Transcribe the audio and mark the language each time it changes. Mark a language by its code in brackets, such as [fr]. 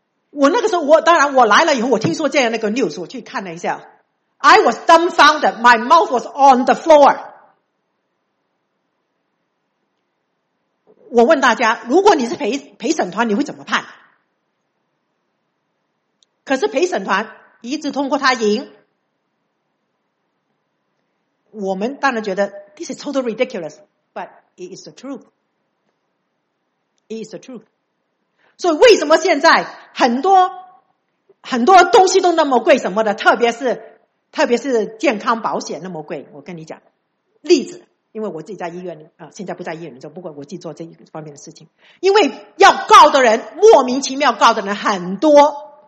[zh] 我那个时候，我当然我来了以后，我听说这样那个 news， 我去看了一下， [en] I was dumbfounded， my mouth was on the floor。 [zh] 我问大家，如果你是陪审团，你会怎么判？可是陪审团一致通过他赢，我们当然觉得 [en] this is totally ridiculous， but it is the truth， [zh] it is the truth。所以为什么现在很多很多东西都那么贵什么的，特别是健康保险那么贵。我跟你讲例子，因为我自己在医院里，现在不在医院里，不管我自己做这一方面的事情。因为要告的人，莫名其妙告的人很多。